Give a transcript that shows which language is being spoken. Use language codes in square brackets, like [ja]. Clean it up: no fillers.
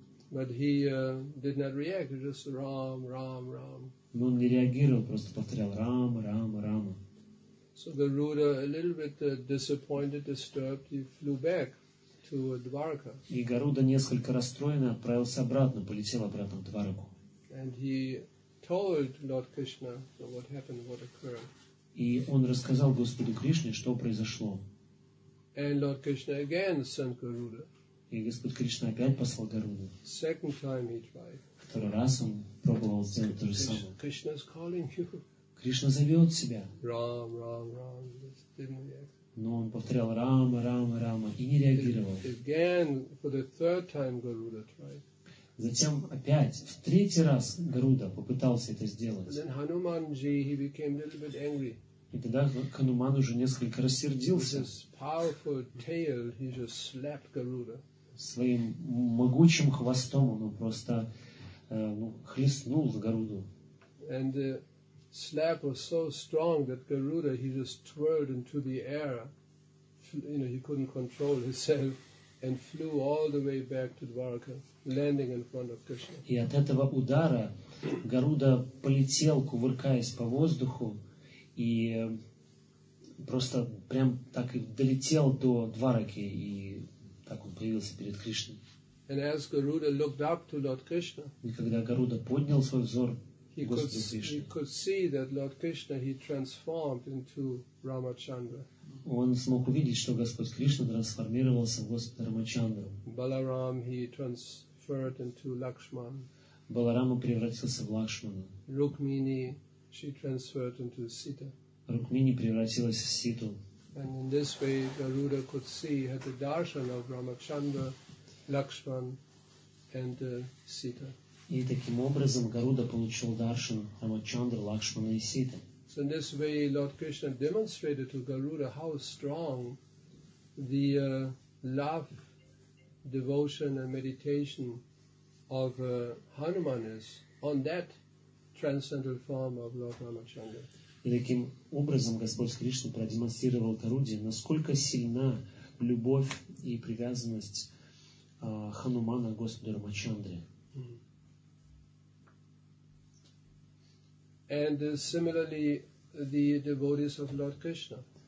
[en] But he did not react. Just Ram, Ram, Ram. [ru] Но он не реагировал, просто повторял Рама, Рама, Рама. [en] So Garuda, a little bit disappointed, disturbed, he flew back to Dwarka. [ru] И Гаруда несколько расстроенно отправился обратно, полетел обратно в Двараку. [en] And he told Lord Krishna what happened, what occurred. [ru] И он рассказал Господу Кришне, что произошло. [en] And Lord Krishna again sent Garuda. [ru] И Господь Кришна опять послал Гаруду. [en] Second time he tried. [ru] Второй раз он пробовал сделать то же самое. [en] Krishna is calling you. [ru] Кришна зовет себя. [en] Ram, Ram, Ram. Just didn't react. [ru] Но он повторял Рама, Рама, Рама и не реагировал. [en] Again, for the third time, Garuda tried. [ru] Затем опять, в третий раз Гаруда попытался это сделать. [en] And then Hanumanji, he became a little bit angry. [ru] И тогда Хануман уже несколько рассердился. [en] With his powerful tail, he just slapped Garuda. [ru] Своим могучим хвостом он просто хлестнул Гаруду. [en] And the slap was so strong that Garuda, he just twirled into the air. You know, he couldn't control himself and flew all the way back to Dwarka, landing in front of Krishna. [ru] И от этого удара Гаруда полетел, кувыркаясь по воздуху, и просто прям так и долетел до Двараки, и так он появился перед Кришной. [en] And as Garuda looked up to Lord Krishna, [ru] и когда Гаруда поднял свой взор, [en] he could see that Lord Krishna he transformed into Ramachandra. [ru] Он смог увидеть, что Господь Кришна трансформировался в Господа Рамачандру. [en] Balaram he transferred into Lakshman. [ru] Баларама превратился в Лакшмана. [en] Rukmini she transferred into Sita. [ru] Rukmini превратилась в Ситу. [en] And in this way Garuda could see had the darshan of Ramachandra, Lakshman and Sita. [ru] И таким образом Гаруда получил даршан Рамачандры, Лакшмана и Ситы. [en] So in this way Lord Krishna demonstrated to Garuda how strong the love, devotion and meditation of Hanuman is on that transcendental form of Lord Ramachandra. [ru] И таким образом Господь Кришна продемонстрировал Гаруде, насколько сильна любовь и привязанность Ханумана, Господа Рамачандры. [en] And similarly, the devotees of Lord Krishna.